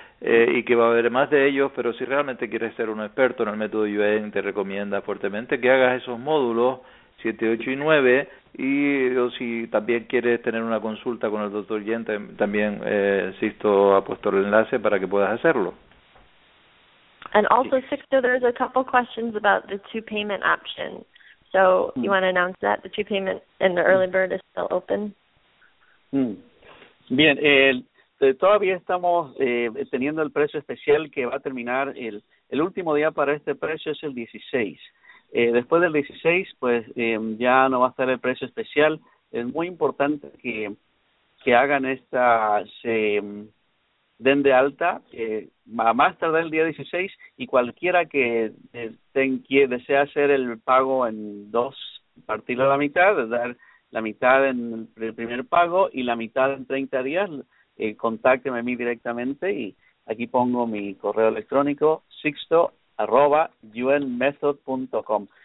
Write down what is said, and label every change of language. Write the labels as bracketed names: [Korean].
[Spanish] Y que va a haber más de ellos, pero si realmente quieres ser un experto en el método Yuen, te recomienda fuertemente que hagas esos módulos 7, 8 y 9, o si también quieres tener una consulta con el doctor Yuen, también Sixto ha puesto el enlace para que puedas hacerlo. [English] And also, Sixto, there's a couple questions about the 2 payment option. So, you want to announce that the 2 payment in the early bird is still open? [Spanish] Bien, todavía estamos teniendo el precio especial que va a terminar el último día para este precio es el 16. Después del 16, pues ya no va a estar el precio especial. Es muy importante que hagan esta, se den de alta a más tardar el día 16, y cualquiera que desea hacer el pago en dos, partirlo a la mitad, dar la mitad en el primer pago y la mitad en 30 días, contácteme a mí directamente, y aquí pongo mi correo electrónico, sixto@yuenmethod.com.